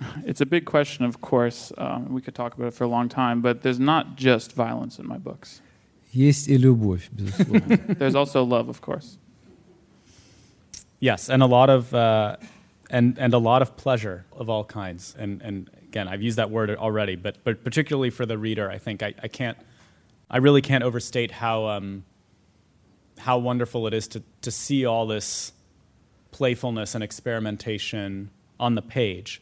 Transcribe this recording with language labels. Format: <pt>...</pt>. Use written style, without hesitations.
<en>It's a big question, of course. We could talk about it for a long time, but there's not just violence in my books.</en> <ru>Есть и любовь, безусловно.</ru> <en>There's also love, of course. Yes, and a lot of and a lot of pleasure of all kinds. And again, I've used that word already, but particularly for the reader, I think I really can't overstate how wonderful it is to see all this playfulness and experimentation on the page.</en>